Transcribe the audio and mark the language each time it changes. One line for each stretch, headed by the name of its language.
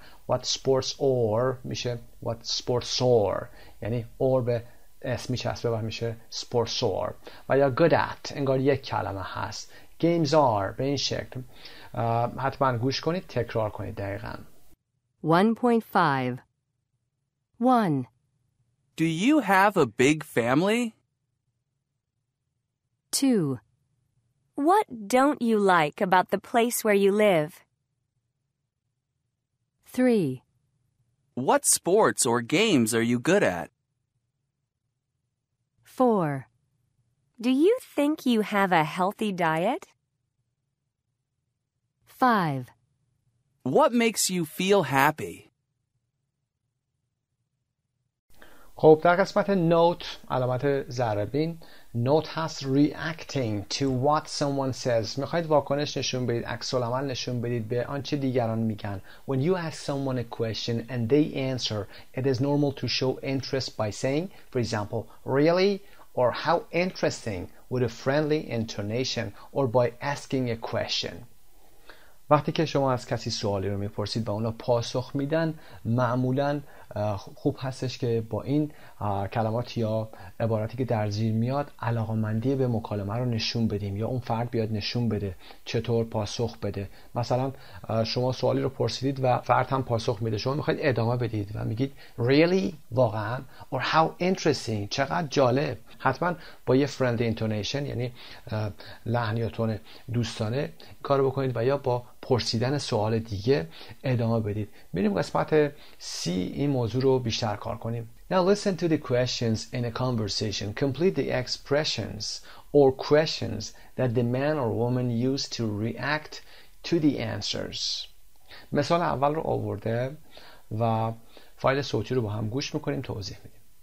English: What sports or
Persian: میشه
English: what sports or،
Persian: یعنی
English: or
Persian: به اسمی چسبه و میشه
English: sports or.
Persian: و یا
English: good at،
Persian: انگار یک کلمه هست.
English: Games are،
Persian: به این شکل. حتما گوش کنید، تکرار کنید دقیقا.
English: 1.5 1 Do you have a big family? 2. What don't you like about the place where you live? 3. What sports or games are you good at? 4. Do you think you have a healthy diet? 5. What makes you feel happy?
Persian: خب در قسمت note علامت ذره بین note هست
English: reacting to what someone says.
Persian: میخواید واکنش نشون بدید، عکس العمل نشون بدید به آنچه دیگران میگن.
English: When you ask someone a question and they answer, it is normal to show interest by saying, for example, really? Or how interesting, with a friendly intonation, or by asking a question.
Persian: وقتی که شما از کسی سوالی رو میپرسید و اونا پاسخ میدن، معمولاً خوب هستش که با این کلمات یا عباراتی که در زیر میاد علاقمندی به مکالمه رو نشون بدیم، یا اون فرد بیاد نشون بده چطور پاسخ بده. مثلا شما سوالی رو پرسیدید و فرد هم پاسخ میده، شما میخواید ادامه بدید و میگید
English: really؟
Persian: واقعا؟
English: or how interesting؟
Persian: چقدر جالب؟ حتما با یه
English: friendly intonation،
Persian: یعنی لحن یا تون دوستانه کار بکنید، و یا با پرسیدن سوال دیگه ادامه بدید. بریم قسمت سی این موضوع رو بیشتر کار کنیم.
English: Now listen to the questions in a conversation. Complete the expressions or questions that the man or woman used to react to the answers.
Persian: مثال اول رو آورده و فایل صوتی رو با هم گوش میکنیم توضیح میدیم.